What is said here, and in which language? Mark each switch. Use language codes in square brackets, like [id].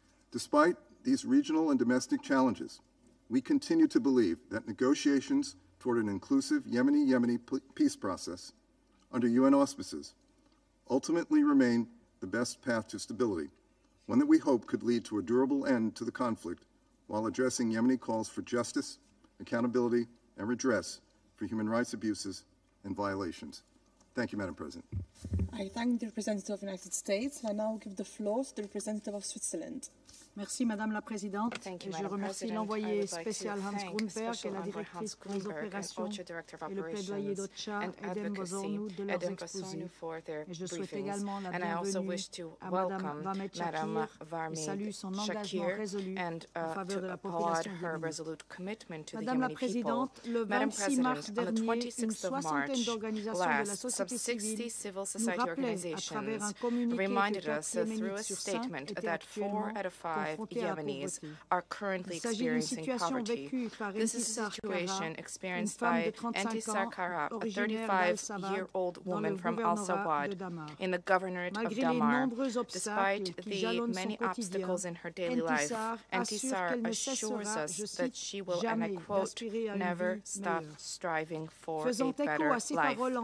[en] Despite these regional and domestic challenges, we continue to believe that negotiations toward an inclusive Yemeni-Yemeni peace process under UN auspices ultimately remain the best path to stability, one that we hope could lead to a durable end to the conflict while addressing Yemeni calls for justice, accountability, and redress for human rights abuses and violations. Thank you, Madam President. I thank the representative of the United States, and I now give the floor to the representative of Switzerland. [fr] Merci, Madame la Présidente. [en] Thank you, [fr] Madame Je remercie l'envoyé spécial Hans Grundberg et la directrice pour les opérations et le plaidoyer d'OCHA et d'Embozonu de leurs expositions. Et je souhaite également la bienvenue à Madame Vahmet Shakir et salue son engagement résolu en faveur de la population yéménite. Madame la Présidente, le 26 mars dernier, une soixantaine d'organisations de la société civile nous rappelait à travers un communiqué que 4 yéménites sur 5 étaient actuellement [en] 5 Yemenis are currently experiencing poverty. This is a situation experienced by Antisar Kara, a 35-year-old woman from Al-Sawad in the governorate of Damar. Despite the many obstacles in her daily life, Antisar assures us that she will, and I quote, never stop striving for a better life.